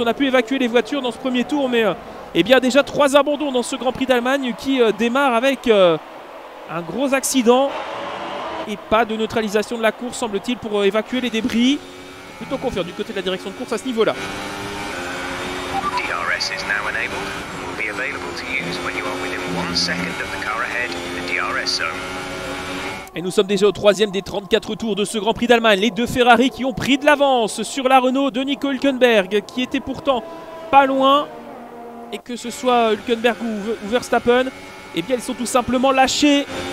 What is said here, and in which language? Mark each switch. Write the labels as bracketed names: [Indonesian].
[French] On a pu évacuer les voitures dans ce premier tour, mais déjà trois abandons dans ce Grand Prix d'Allemagne qui démarre avec un gros accident et pas de neutralisation de la course, semble-t-il, pour évacuer les débris. Plutôt qu'on fait du côté de la direction de course à ce niveau-là. [English] DRS is now enabled. Will be available to use when you are within 1 second of the car ahead in the DRS zone. [French] Et nous sommes déjà au troisième des 34 tours de ce Grand Prix d'Allemagne. Les deux Ferrari qui ont pris de l'avance sur la Renault de Nico Hülkenberg, qui était pourtant pas loin. Et que ce soit Hülkenberg ou Verstappen, eh bien, ils sont tout simplement lâchés.